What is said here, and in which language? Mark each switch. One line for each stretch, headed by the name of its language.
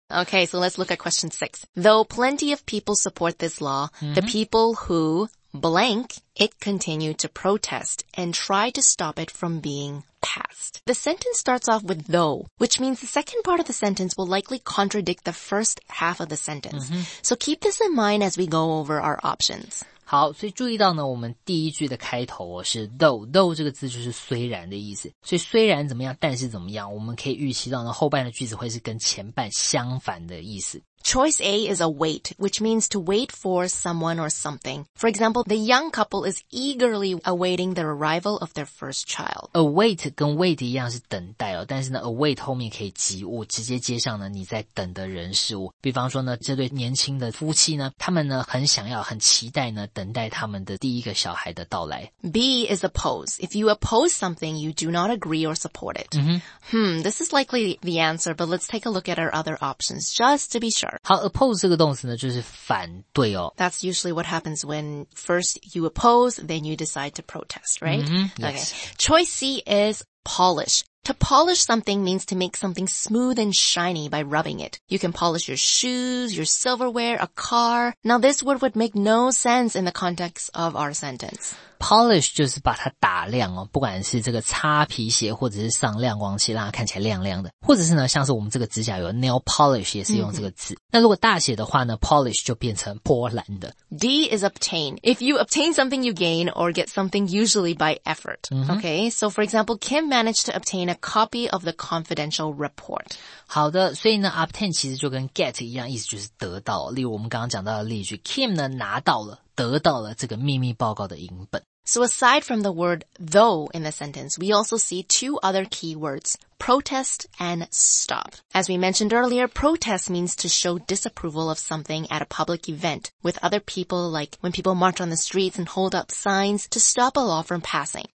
English: Okay, so let's look at question 6. Though plenty of people support this law, the people who blank it continue to protest and try to stop it from being passed. The sentence starts off with though, which means the second part of the sentence will likely contradict the first half of the sentence. So keep this in mind as we go over our options.
Chinese: 好，所以注意到呢，我们第一句的开头是 though 这个字就是虽然的意思。所以虽然怎么样，但是怎么样，我们可以预期到呢，后半的句子会是跟前半相反的意思。
English: Choice A is await, which means to wait for someone or something. For example, the young couple is eagerly awaiting the arrival of their first child.
Chinese: Await 跟 wait 一样是等待哦，但是呢 ，await 后面可以及物，直接接上呢你在等的人事物。比方说呢，这对年轻的夫妻呢，他们呢很想要、很期待呢等待他们的第一个小孩的到来。
English: B is oppose. If you oppose something, you do not agree or support it. This is likely the answer, but let's take a look at our other options just to be sure.
Chinese: 好 ,oppose 这个动词呢就是反对哦。
English: That's usually what happens when first you oppose, then you decide to protest, right? Okay. Choice C is polish. To polish something means to make something smooth and shiny by rubbing it. You can polish your shoes, your silverware, a car. Now this word would make no sense in the context of our sentence.
Chinese: Polish 就是把它打亮哦，不管是这个擦皮鞋或者是上亮光漆让它看起来亮亮的，或者是呢像是我们这个指甲油 nail polish 也是用这个字。那如果大写的话呢 ，polish 就变成波兰的。
English: D is obtain. If you obtain something, you gain or get something usually by effort. Okay, so for example, Kim managed to obtain a copy of the confidential report.
Chinese: 好的，所以呢 ,obtain 其实就跟 get 一样，意思就是得到。例如我们刚刚讲到的例句 ,Kim 呢拿到了得到了这个秘密报告的影本。
English: So aside from the word though in the sentence, we also see two other key words, protest and stop. As we mentioned earlier, protest means to show disapproval of something at a public event with other people, like when people march on the streets and hold up signs to stop a law from passing.